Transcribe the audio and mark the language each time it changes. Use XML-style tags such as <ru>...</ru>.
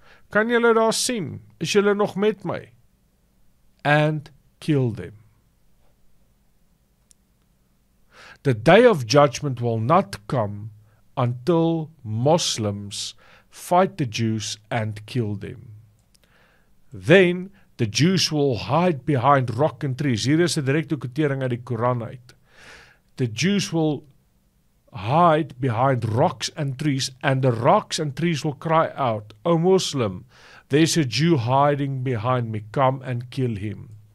<af>Kan julle daar sien? Is julle nog met my?</af> <en>And kill them. The day of judgment will not come until Muslims fight the Jews and kill them. Then the Jews will hide behind rock and trees.</en> <af>Hier is 'n direkte quotering uit die Koran uit.</af> <en>The Jews will hide behind rocks and trees, and the rocks and trees will cry out, O Muslim, there's a Jew hiding behind me, come and kill him.</en>